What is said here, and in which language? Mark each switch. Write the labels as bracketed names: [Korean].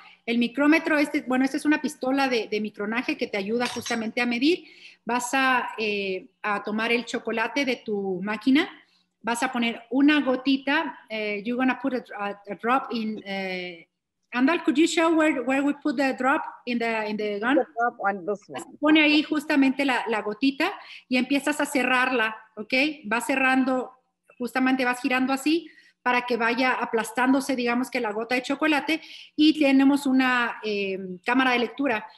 [Spanish] El micrómetro, esta es una pistola de micronaje que te ayuda justamente a medir. Vas a tomar el chocolate de tu máquina, vas a poner una gotita. [English] You're going to put a drop in. Andal, could you show where we put the drop in the gun? The drop on this one. [Spanish] Pone ahí justamente la gotita y empiezas a cerrarla, ¿ok? Vas cerrando, justamente vas girando así, para que vaya aplastándose, digamos, que la gota de chocolate, y tenemos una cámara de lectura.